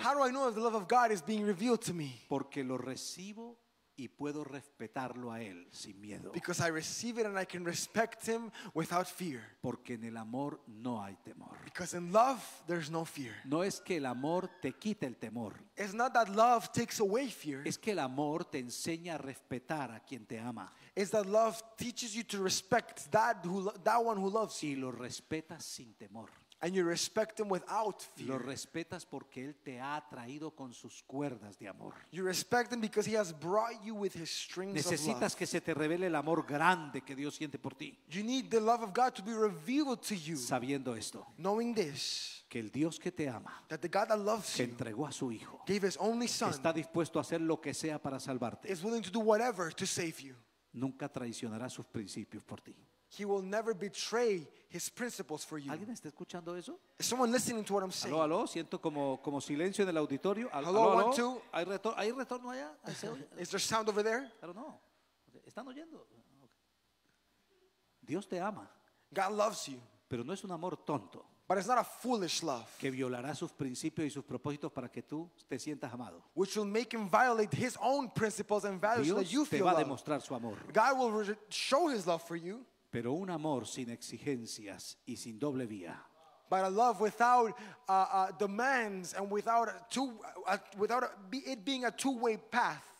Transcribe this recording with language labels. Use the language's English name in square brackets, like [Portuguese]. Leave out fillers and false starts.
[English] How do I know if the love of God is being revealed to me? [Spanish] Porque lo recibo y puedo respetarlo a él sin miedo. [English] Because I receive it and I can respect him without fear. [Spanish] Porque en el amor no hay temor. [English] Because in love there's no fear. [Spanish] No es que el amor te quite el temor. [English] It's not that love takes away fear. [Spanish] Es que el amor te enseña a respetar a quien te ama. [English] Is that love teaches you to respect that one who loves you. [Spanish] Y lo respetas sin temor. [English] And you respect him without fear. [Spanish] Lo respetas porque él te ha traído con sus cuerdas de amor. [English] You respect him because he has brought you with his strings. [Spanish] Necesitas [English] of love. [Spanish] Que se te revele el amor grande que Dios siente por ti. [English] You need the love of God to be revealed to you. [Spanish] Sabiendo esto. [English] Knowing this. [Spanish] Que el Dios que te ama, [English] that the God that loves [Spanish] que entregó a su hijo, [English] gave his only son, [Spanish] está dispuesto a hacer lo que sea para salvarte. [English] Is willing to do whatever to save you. [Spanish] Nunca traicionará sus principios por ti. [English] He will never betray his principles for you. [Spanish] ¿Alguien está escuchando eso? [English] Is someone listening to what I'm saying? [Spanish] Aló, aló, siento como silencio en el auditorio. Aló, [English] hello, [Spanish] aló. [English] One, two. [Spanish] ¿Hay retorno allá? [English] Is there sound over there? I don't know. [Spanish] ¿Están oyendo? Dios te ama. [English] God loves you. [Spanish] Pero no es un amor tonto. [English] But it's not a foolish love. [Spanish] Que violará sus principios y sus propósitos para que tú te sientas amado. [English] Which will make him violate his own principles and values [Spanish] Dios [English] so that you feel loved. [Spanish] Dios te va a demostrar su amor. [English] God will show his love for you. [Spanish] Pero un amor sin exigencias y sin doble vía. [English] But a love without demands and without it being a two-way path.